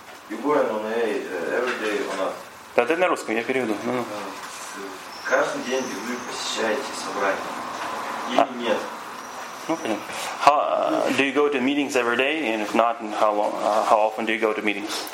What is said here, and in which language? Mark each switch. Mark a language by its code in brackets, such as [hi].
[en] You go on AA every day or not? [ru] Да ты на русском, я переведу. Каждый день вы посещаете собрание или нет? Ну понятно. [en] How do you go to meetings every day, and if not, how long, how often do you go to meetings?